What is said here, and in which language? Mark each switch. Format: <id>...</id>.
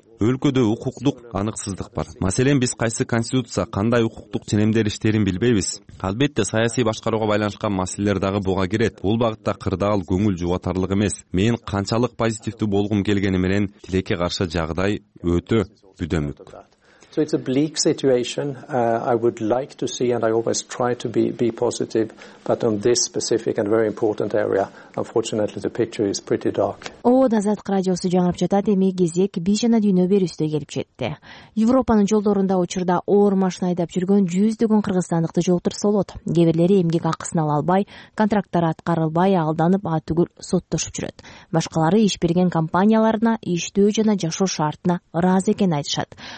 <ky>Өлкөдө укуктук аныксыздык бар. Маселен, биз кайсы конституция, кандай укуктук ченемдер иштерин билбейбиз. Албетте, саясий башкарууга байланышкан маселелер дагы буга кирет. Бул багытта кырдаал көңүл жубатарлык эмес. Мен канчалык позитивдүү болгум келгени менен тилекке каршы жагдай өтө бүдөмүк.</ky> <en>So it's a bleak situation. I would like to see, and I always try to be positive, but on this specific and very important area, unfortunately, the picture is pretty dark.</en> <ky>ООН Азаттык радиосу жаңырып жатат, эми кезек бийшана дүйнө берүүсүнө келип жетти. Европанын жолдорунда учурда оор машина айдап жүргөн жүздөгөн кыргызстандыкты жолтурсолот. Кээбирлери эмгек акысын ала албай, контракттары аткарылбай, алданып, атүгүл соттошуп жүрөт. Башкалары иш берген компанияларына иштөө жана жашоо шартына ыраазы экенин айтышат.</ky>